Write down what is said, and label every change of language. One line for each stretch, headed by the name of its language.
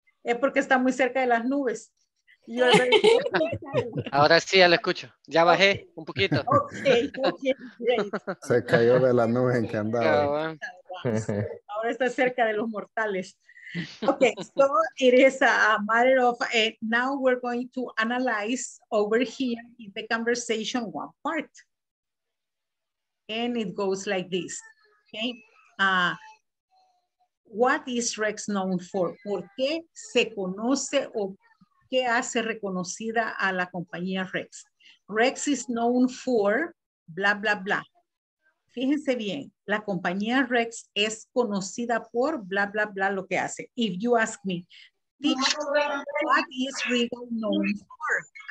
Spanish: Es porque está muy cerca de las nubes.
English: You are very close.
Spanish: Ahora sí, ya lo escucho. Ya bajé un poquito.
English: Okay, okay, great.
Spanish: Se cayó de la nube en que andaba.
English: Oh, wow.
Spanish: Ahora está cerca de los mortales.
English: Okay, so it is a matter of, now we're going to analyze over here in the conversation one part. And it goes like this, okay? What is Rex known for?
Spanish: ¿Por qué se conoce o qué hace reconocida a la compañía Rex?
English: Rex is known for bla, bla, bla.
Spanish: Fíjense bien, la compañía Rex es conocida por bla, bla, bla, lo que hace.
English: If you ask me, teacher, what is Regal known for?